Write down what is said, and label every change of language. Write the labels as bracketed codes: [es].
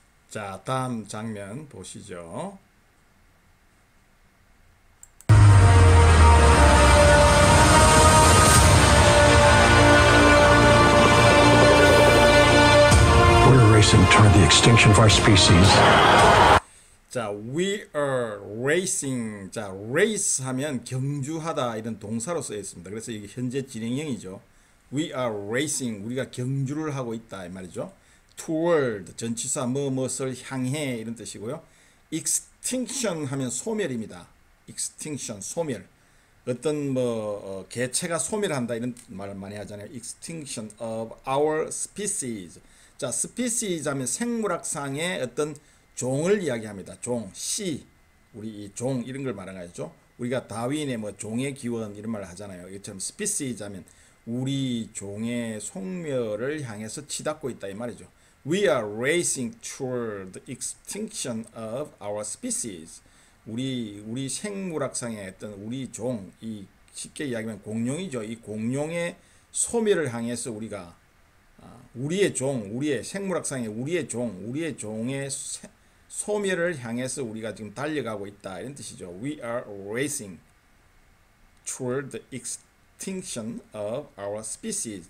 [ko] 자, 다음 장면 보시죠. [en] We're racing toward the extinction of our species. 자, we are racing. [ko] 자, race 하면 경주하다 이런 동사로 쓰여 있습니다. 그래서 이게 현재 진행형이죠. [en] We are racing. [ko] 우리가 경주를 하고 있다 이 말이죠. toward 전치사 뭐뭐를 향해 이런 뜻이고요. extinction 하면 소멸입니다. extinction 소멸. 어떤 뭐 개체가 소멸한다 이런 말을 많이 하잖아요. [en] extinction of our species. [ko] 자, species 하면 생물학상의 어떤 종을 이야기합니다. 종, 씨, 우리 이 종 이런 걸 말하죠. 우리가 다윈의 뭐 종의 기원 이런 말을 하잖아요. 이처럼 species 하면 우리 종의 속멸을 향해서 치닫고 있다 이 말이죠. [en] We are racing toward the extinction of our species. [ko] 우리 생물학상의 어떤 우리 종, 이 쉽게 이야기하면 공룡이죠. 이 공룡의 소멸을 향해서 우리가 우리의 종, 우리의 생물학상의 우리의 종, 우리의 종의 소멸을 향해서 우리가 지금 달려가고 있다 이런 뜻이죠. [en] We are racing toward the extinction of our species.